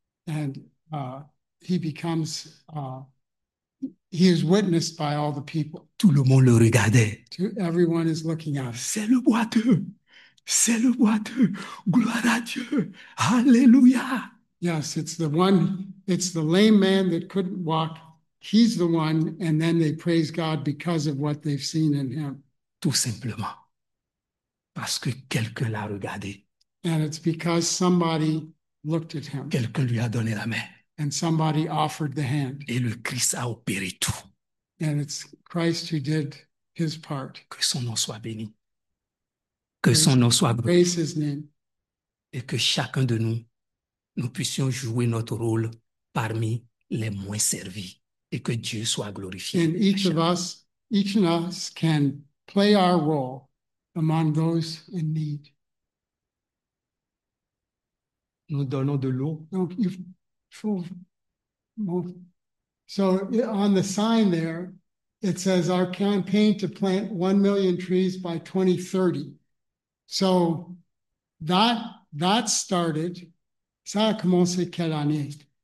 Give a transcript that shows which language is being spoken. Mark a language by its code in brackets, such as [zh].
[en] And he becomes, he is witnessed by all the people. [fr] Tout le monde le regardait. [en] Everyone is looking at him. [fr] C'est le boiteux. C'est le boiteux. Gloire à Dieu. Alléluia. [en] Yes, it's the one, it's the lame man that couldn't walk. He's the one, and then they praise God because of what they've seen in him. [fr] Tout simplement. Parce que quelqu'un l'a regardé. [en] And it's because somebody looked at him. [fr] Quelqu'un lui a donné la main. [en] And somebody offered the hand. [fr] Et le Christ a opéré tout. [en] And it's Christ who did his part. [fr] Que son nom soit béni. Que [en] praise, [fr] son nom soit [en] praise his name. [fr] Et que chacun de nous, nous puissions jouer notre rôle parmi les moins servis. Et que Dieu soit glorifié. [en] And each of us can play our role among those in need. [fr] Nous donnons de l'eau. Donc, il faut... [en] So on the sign there, it says our campaign to plant 1 million trees by 2030. So that started. [fr] Ça a commencé quelle année?